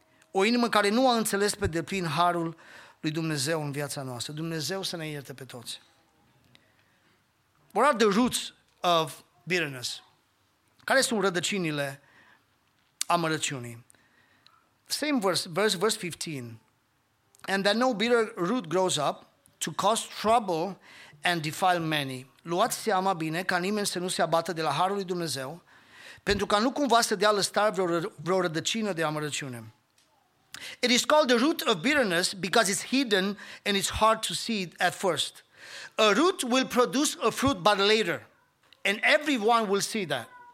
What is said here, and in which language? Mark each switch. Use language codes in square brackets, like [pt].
[ro] O inimă care nu a înțeles pe deplin harul lui Dumnezeu în viața noastră. Dumnezeu să ne ierte pe toți. [en] What are the roots of bitterness? [ro] Care sunt rădăcinile amărăciunii? [en] Same verse 15. And that no bitter root grows up to cause trouble and defile many. [ro] Luați seama bine ca nimeni să nu se abată de la Harul lui Dumnezeu, pentru ca nu cumva să dea lăstar vreo rădăcină de amărăciune. [en] It is called the root of bitterness because it's hidden and it's hard to see at first. A root will produce a fruit but later, and everyone will see that.